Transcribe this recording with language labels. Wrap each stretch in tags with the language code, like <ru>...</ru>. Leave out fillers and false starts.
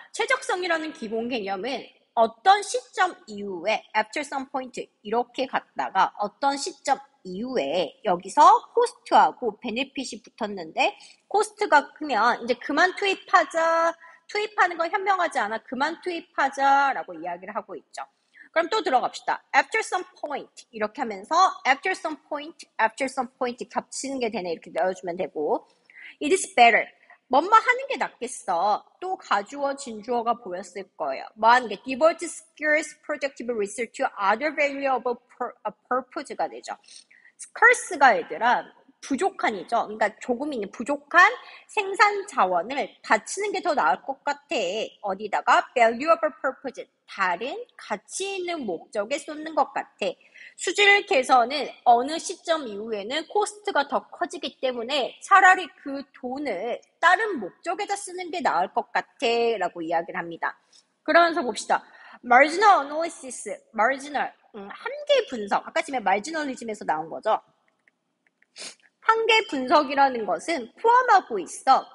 <ko>최적성이라는 기본 개념은 어떤 시점 이후에</ko> <en>after some point</en> <ko>이렇게 갔다가 어떤 시점 이후에 여기서 코스트하고 베네핏이 붙었는데 코스트가 크면 이제 그만 투입하자. 투입하는 건 현명하지 않아. 그만 투입하자라고 이야기를 하고 있죠. 그럼 또 들어갑시다.</ko> <en>After some point</en> <ko>이렇게 하면서</ko> <en>after some point</en> <ko>겹치는 게 되네. 이렇게 넣어주면 되고.</ko> <en>It is better.</en> <ko>뭐뭐 하는 게 낫겠어. 또 가주어 진주어가 보였을 거예요. 뭐 하는 게</ko> <en>devote scarce productive resource to other valuable purpose가 되죠.</en> <ko>scarce가 얘들아 부족한이죠. 그러니까 조금 있는 부족한 생산 자원을 바치는 게더 나을 것 같아. 어디다가</ko> <en>valuable purpose</en> <ko>다른 가치 있는 목적에 쏟는 것 같아. 수질 개선은 어느 시점 이후에는 코스트가 더 커지기 때문에 차라리 그 돈을 다른 목적에다 쓰는 게 나을 것 같아라고 이야기를 합니다. 그러면서 봅시다.</ko> <en>marginal analysis, marginal</en> <ko>한계 분석. 아까 전에 marginalism에서 나온 거죠. 한계 분석이라는 것은 포함하고 있어.</ko>